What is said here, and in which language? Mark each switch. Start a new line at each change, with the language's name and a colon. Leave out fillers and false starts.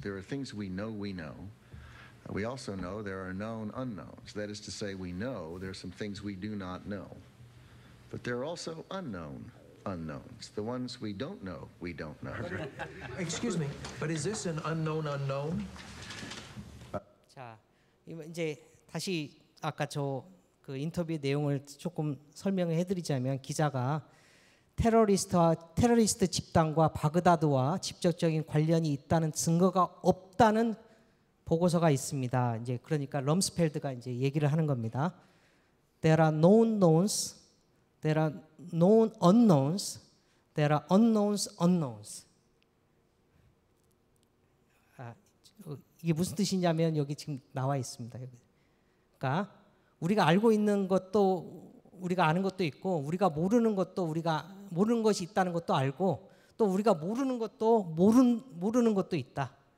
English: There are things we know we know. We also know there are known unknowns. That is to say, we know there are some things we do not know. But there are also unknown unknowns. The ones we don't know, we don't know. Excuse me, but is this an unknown unknown?
Korean: 자, 이제 다시 아까 저 그 인터뷰 내용을 조금 설명을 해드리자면 기자가 테러리스트 집단과 바그다드와 직접적인 관련이 있다는 증거가 없다는 보고서가 있습니다. 이제 그러니까 럼스펠드가 이제 얘기를 하는 겁니다.
English: There are known knowns, there are known unknowns, there are unknowns unknowns.
Korean: 아, 이게 무슨 뜻이냐면 여기 지금 나와 있습니다. 그러니까 우리가 알고 있는 것도 우리가 아는 것도 있고 우리가 모르는 것도 우리가 모르는 것이 있다는 것도 알고 또 우리가 모르는 것도 모르는 것도 있다.